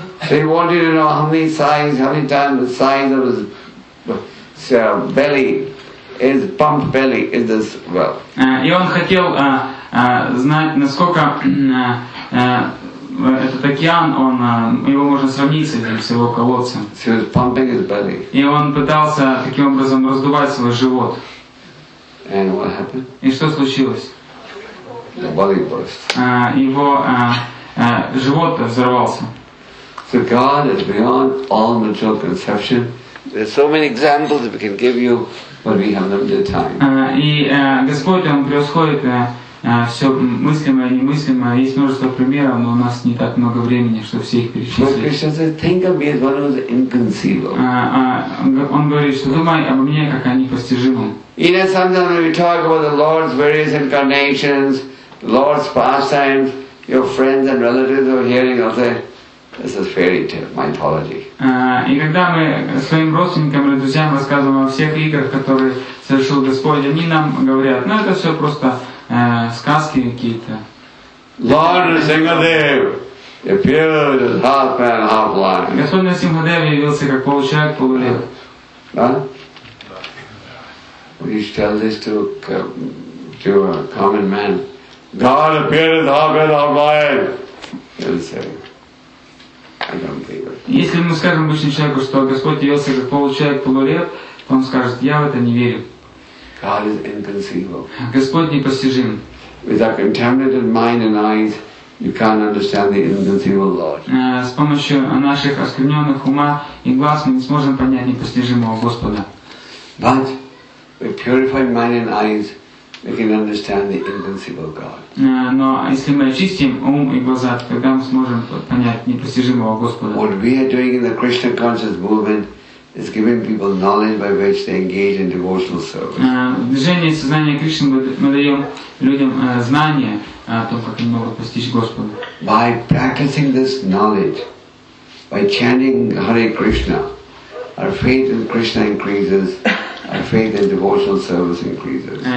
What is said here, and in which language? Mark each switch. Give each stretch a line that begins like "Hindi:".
English: So he wanted to know how many times the size of his belly, his pump belly, is this well.
Russian: И он хотел знать, насколько этот океан, он его можно сравнить с этим, с его колодцем.
English: So he was pumping his belly.
Russian: И он пытался таким образом раздувать свой живот.
English: And what happened?
Russian: И что случилось?
English: The body burst.
Russian: Его живот взорвался.
English: So God is beyond all material conception. There's so many examples that we can give you, but we have limited time.
Russian: И Господь, он превосходит все мыслимое и немыслимое. Есть множество примеров, но у нас не так много времени, чтобы все их перечислить.
English: But Krishna says, think of me as one who is inconceivable.
Russian: Он говорит, что думай обо мне как о непостижимом.
English: You know, sometimes when we talk about the Lord's various incarnations, Lord's pastimes, your friends and relatives are hearing, they'll say, this is fairy tale, mythology.
Russian: И когда мы своим родственникам или друзьям рассказываем о всех играх, которые совершил Господь, они нам говорят, ну это все просто сказки какие-то.
English: Lord Narasimhadev appeared as half man, half lion.
Russian: Господь Нарсимхадев явился как получеловек, полулев. Да?
English: We should tell this to a common man. God appeared as half man, half lion. He'll say, I don't believe it.
Russian: Если мы скажем обычному человеку, что Господь явился как получеловек, полулев, то он скажет, я в это не верю.
English: God is inconceivable.
Russian: Господь непостижим.
English: With our contaminated mind and eyes, you can't understand the inconceivable Lord.
Russian: С помощью наших оскверненных ума и глаз мы не сможем понять непостижимого Господа.
English: But with purified mind and eyes, we can understand the inconceivable God.
Russian: Но если мы очистим ум и глаза, тогда мы сможем понять непостижимого Господа.
English: What we are doing in the Krishna conscious movement is giving people knowledge by which they engage in devotional service.
Russian: Движение сознания Кришны мы даем людям знания о том, как они могут постичь Господа.
English: By practicing this knowledge, by chanting Hare Krishna, our faith in Krishna increases, our faith in devotional service increases.